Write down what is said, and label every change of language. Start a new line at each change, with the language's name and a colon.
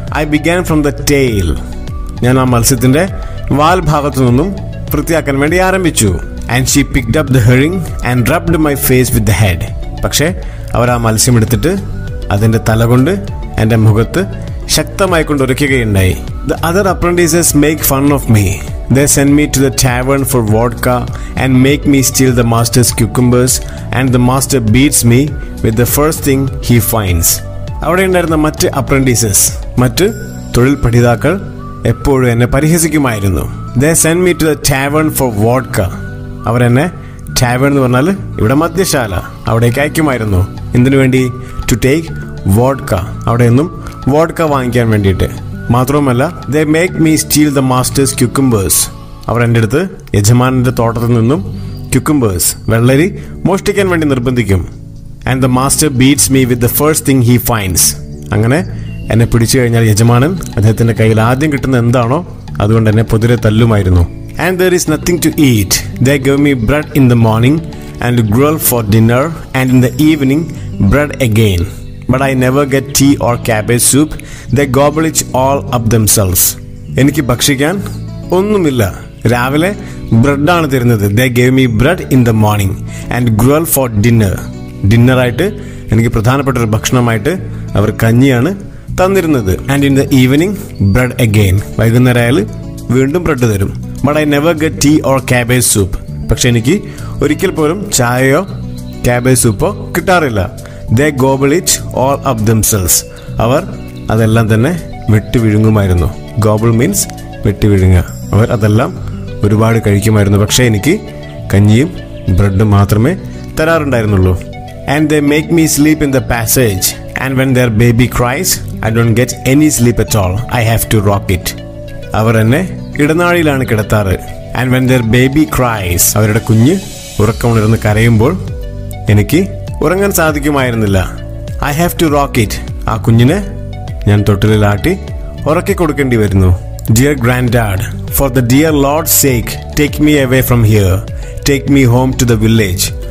English: I began from the tail,
Malayalam: ഞാൻ ആ മത്സ്യത്തിൻ്റെ വാൽ ഭാഗത്തു നിന്നും വൃത്തിയാക്കാൻ വേണ്ടി ആരംഭിച്ചു.
English: And she picked up the herring and rubbed my face with the head.
Malayalam: പക്ഷേ അവർ ആ മത്സ്യം എടുത്തിട്ട് അതിൻ്റെ തല കൊണ്ട് എൻ്റെ മുഖത്ത് ശക്തമായി കൊണ്ട് ഉരയ്ക്കുകയുണ്ടായി.
English: The other apprentices make fun of me. They send me to the tavern for vodka and make me steal the master's cucumbers, and the master beats me with the first thing he finds.
Malayalam: അവിടെ ഉണ്ടായിരുന്ന മറ്റ് apprentices മറ്റ് തൊഴിൽ പഠിതാക്കൾ എപ്പോഴും എന്നെ പരിഹസിക്കുമായിരുന്നു.
English: They send me to the tavern for vodka.
Malayalam: അവർ എന്നെ ടാവേൺ എന്ന് പറഞ്ഞാൽ ഇവിടെ മദ്യശാല അവിടേക്ക് അയക്കുമായിരുന്നു. എന്തിനു വേണ്ടി?
English: To take vodka.
Malayalam: അവിടെ നിന്നും വോഡ്ക വാങ്ങിക്കാൻ വേണ്ടിയിട്ട്. മാത്രവുമല്ല,
English: They make me steal the master's cucumbers.
Malayalam: അവർ എൻ്റെ അടുത്ത് യജമാനൻ്റെ തോട്ടത്തിൽ നിന്നും ക്യുക്കുംബേഴ്സ് വെള്ളരി മോഷ്ടിക്കാൻ വേണ്ടി നിർബന്ധിക്കും.
English: And the master beats me with the first thing he finds.
Malayalam: അങ്ങനെ എന്നെ പിടിച്ചു കഴിഞ്ഞാൽ യജമാനൻ അദ്ദേഹത്തിൻ്റെ കയ്യിൽ ആദ്യം കിട്ടുന്ന എന്താണോ അതുകൊണ്ട് എന്നെ പൊതിരെ തല്ലുമായിരുന്നു.
English: And there is nothing to eat. They give me bread in the morning and gruel for dinner, and in the evening bread again. But I never get tea or cabbage soup. They gobble it all up themselves.
Malayalam: എനിക്ക് ഭക്ഷിക്കാൻ ഒന്നുമില്ല. രാവിലെ bread ആണ് തരുന്നത്.
English: They give me bread in the morning and gruel for dinner.
Malayalam: Dinner ആയിട്ട് എനിക്ക് പ്രധാനപ്പെട്ട ഒരു ഭക്ഷണമായിട്ട് അവർ കഞ്ഞിയാണ് തന്നിരുന്നത്.
English: And in the evening bread again.
Malayalam: വൈകുന്നേരം ആയാൽ വീണ്ടും ബ്രെഡ് തരും.
English: But I never get tea or cabbage soup.
Malayalam: പക്ഷേ എനിക്ക് ഒരിക്കൽ പോലും ചായയോ cabbage soup-ഓ കിട്ടാറില്ല.
English: They gobble it all up themselves.
Malayalam: അവർ അതെല്ലാം തന്നെ വിട്ടുവിഴുങ്ങുമായിരുന്നു.
English: Gobble means വിട്ടുവിഴുങ്ങുക.
Malayalam: അവർ അതെല്ലാം ഒരുപാട് കഴിക്കുമായിരുന്നു. പക്ഷേ എനിക്ക് കഞ്ഞിയും ബ്രെഡും മാത്രമേ തരാറുണ്ടായിരുന്നുള്ളൂ.
English: And they make me sleep in the passage. And when their baby cries, I don't get any sleep at all. I have to rock it.
Malayalam: അവർ എന്നെ ഇടനാഴിയിലാണ് കിടത്താറ്.
English: and when their baby cries,
Malayalam: അവരുടെ കുഞ്ഞ് ഉറക്കമുണർന്ന് കരയുമ്പോൾ എനിക്ക് ഉറങ്ങാൻ സാധിക്കുമായിരുന്നില്ല.
English: I have to rock it,
Malayalam: ആ കുഞ്ഞിനെ ഞാൻ തൊട്ടിലാട്ടി ഉറക്കി കൊടുക്കേണ്ടി വരുന്നു.
English: Dear granddad, for the dear lord sake, take me away from here, take me home to the village.